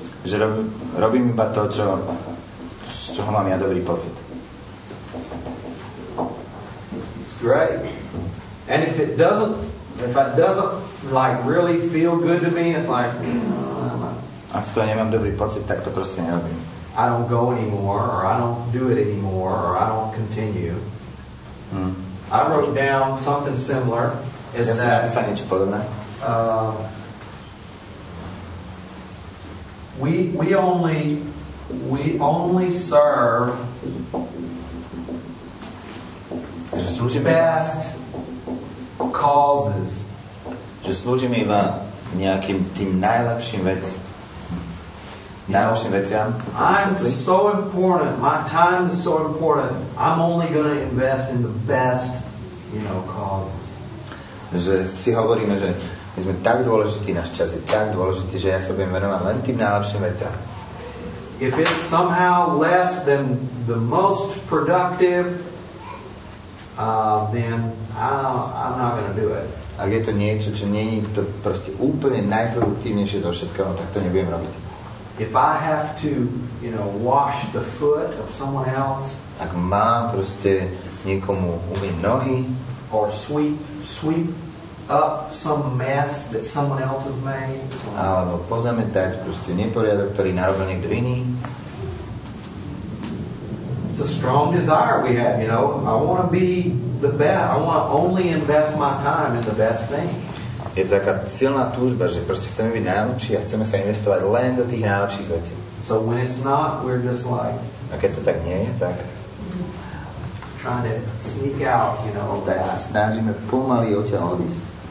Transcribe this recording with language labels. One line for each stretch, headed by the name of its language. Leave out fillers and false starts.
Slovak: Že robím iba to, z čoho mám ja dobrý pocit.
English: Great. And if it doesn't, if it doesn't like really feel good to me, it's like.
Slovak: Ak to nemám dobrý pocit, tak to proste nerobím.
English: I don't go anymore, or I don't do it anymore, or I don't continue. I wrote down something similar. Is
Slovak: ja
English: that?
Slovak: Sa niečo podobné.
English: We only serve.
Slovak: Že slúžime
English: best causes.
Slovak: Že slúžime iba nejakým tým najlepším veciam.
English: I'm so important. My time is so important. I'm only going to invest in the best, causes.
Slovak: Že si hovoríme, že my sme tak dôležití, náš čas je tak dôležitý, že ja sa budem venovať len tým najlepším veciam.
English: If it's somehow less than the most productive, then I'm not going to do it.
Slovak: Ak je to niečo, čo nie je to proste úplne najproduktívnejšie zo všetkého, tak to nebudem robiť.
English: If I have to, wash the foot of someone else,
Slovak: ak mám proste niekomu umyť nohy,
English: or sweep up some mess that someone else has made,
Slovak: alebo pozametať proste neporiadok, ktorý narobil niekto iný,
English: it's a strong desire we have, I want to be the best. I want to only invest my time in the best things.
Slovak: Je to taká silná túžba, že proste chceme byť najlepší a chceme sa investovať len do tých najlepších vecí.
English: So when it's not, we're just like...
Slovak: A keď to tak nie je, tak...
English: Trying to sneak out,
Slovak: Tak sa snažíme pomaly odtiaľ odísť.